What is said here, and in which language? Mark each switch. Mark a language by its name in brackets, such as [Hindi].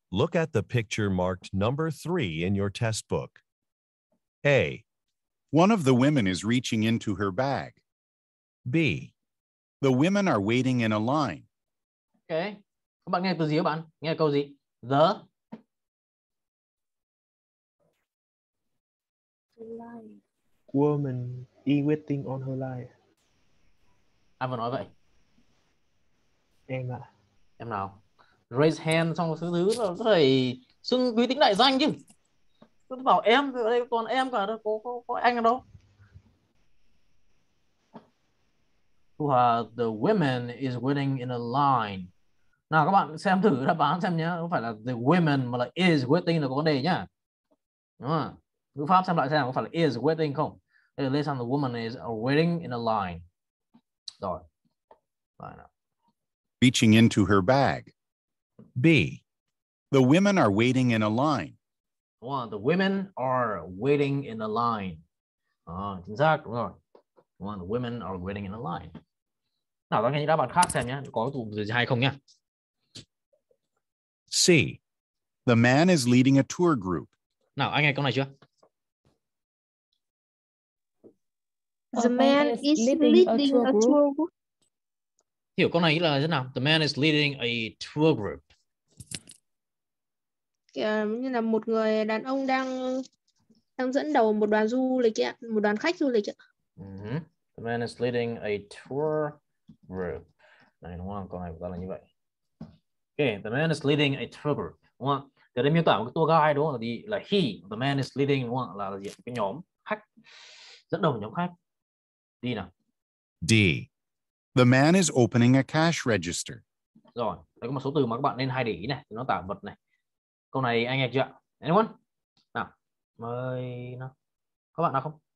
[English] Look at the picture marked number 3 in your test book. A. One of the women is reaching into her bag. B. The women are waiting in a line. [Vietnamese] Ok, các bạn nghe từ gì các bạn? Nghe câu gì? The [English] life. Woman is waiting on her life. [Vietnamese] Ai vừa nói vậy? Em ạ. À. Em nào? [English] Raise hand [Vietnamese] xong rồi thứ rồi phải xưng quý tính đại danh chứ. Tôi bảo em ở đây còn em cả đâu có anh ở đâu. [English] The women is waiting in a line. [Vietnamese] Nào các bạn xem thử đáp án xem nhé. Không phải là the women mà là [English] is waiting [Vietnamese] là có vấn đề nhá. Đúng không? Ngữ pháp xem lại xem có phải là is waiting không? Đây là [English] the woman is waiting in a line. [Vietnamese] Rồi. Rồi [English] nào. Reaching into her bag. B. The women are waiting in a line. [Vietnamese] Đúng không? [English] The women are waiting in a line. [Vietnamese] Chính xác. Đúng rồi. [English] Well, the women are waiting in a line. [Vietnamese] Nào, ta nghe những đáp án khác xem nhé. Có từ gì hay không nhé. [English] C. The man is leading a tour group. [Vietnamese] Nào, anh nghe câu này chưa? [English] The man is leading a tour group. [Vietnamese] Hiểu câu này là thế nào? [English] The man is leading a tour group. [Vietnamese] Kiểu như là một người đàn ông đang dẫn đầu một đoàn du lịch ạ. Một đoàn khách du lịch ạ. [English] Uh-huh. The man is leading a tour group. [Vietnamese] Này đúng không? Câu này của ta là như vậy. [English] Okay, the man is leading a tour group. [Vietnamese] Đúng không? Thì đây miêu tả một cái tour guide đúng không? Thì là he, [English] the man is leading [Vietnamese] đúng không? Là gì? Cái nhóm khách, dẫn đầu nhóm khách. D nào? [English] D. The man is opening a cash register. [Vietnamese] Rồi, đây có một số từ mà các bạn nên hay để ý này. Nó tả vật này. Câu này anh nghe chưa? Anyone? Nào, mời nào. Các bạn nào không?